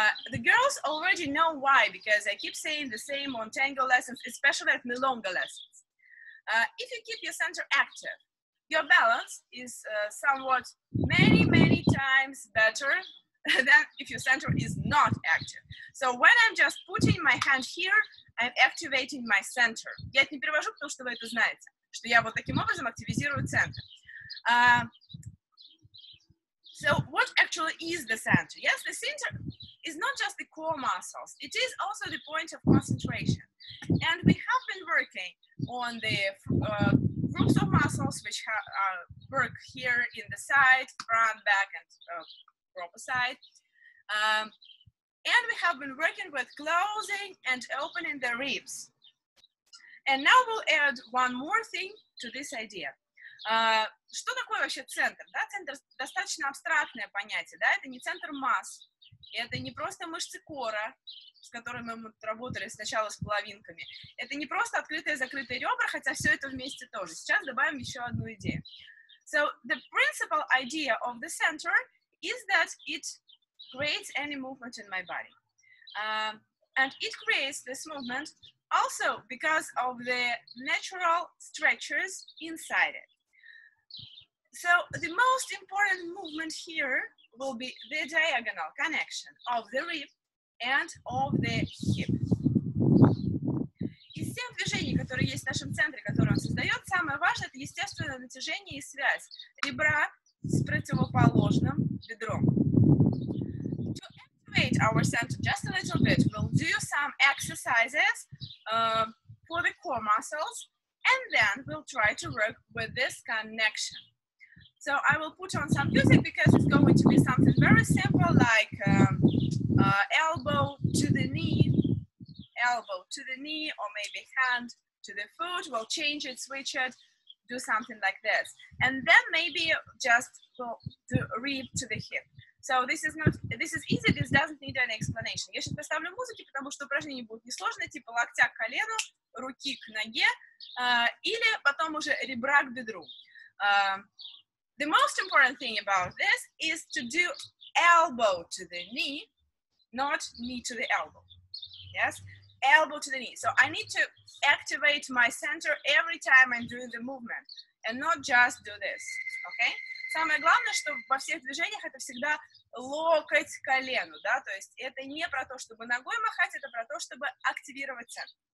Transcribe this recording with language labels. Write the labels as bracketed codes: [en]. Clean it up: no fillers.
[en] The girls already know why, because I keep saying the same on tango lessons, especially at milonga lessons. If you keep your center active, your balance is somewhat many, many times better than if your center is not active. So when I'm just putting my hand here, I'm activating my center. [ru] Я это не перевожу, потому что вы это знаете, что я вот таким образом активизирую центр. [en] So what actually is the center? Yes, the center is not just the core muscles. It is also the point of concentration. And we have been working on the groups of muscles which work here in the side, front, back, and proper side. And we have been working with closing and opening the ribs. And now we'll add one more thing to this idea. [ru] Что такое вообще центр? Да, центр достаточно абстрактное понятие, да, это не центр масс, это не просто мышцы кора, с которыми мы работали сначала с половинками, это не просто открытые и закрытые ребра, хотя все это вместе тоже. Сейчас добавим еще одну идею. [en] So the principal idea of the center is that it creates any movement in my body. And it creates this movement also because of the natural stretches inside it. So the most important movement here will be the diagonal connection of the rib and of the hip. [ru] Из всех движений, которые есть в нашем центре, которые он создает, самое важное — это естественное натяжение и связь ребра с противоположным бедром. [en] To activate our center just a little bit, we'll do some exercises for the core muscles, and then we'll try to work with this connection. So I will put on some music because it's going to be something very simple, like elbow to the knee, or maybe hand to the foot. We'll change it, switch it, do something like this. And then maybe just go to rib to the hip. So this is easy, this doesn't need any explanation. [ru] Я сейчас поставлю музыки, потому что упражнение будет несложное, типа локтя к колену, руки к ноге, или потом уже ребра к бедру. [en] The most important thing about this is to do elbow to the knee, not knee to the elbow. Yes? elbow to the knee. So I need to activate my center every time I'm doing the movement, and not just do this, okay? [ru] Самое главное, что во всех движениях это всегда локоть к колену, да? То есть это не про то, чтобы ногой махать, это про то, чтобы активировать центр.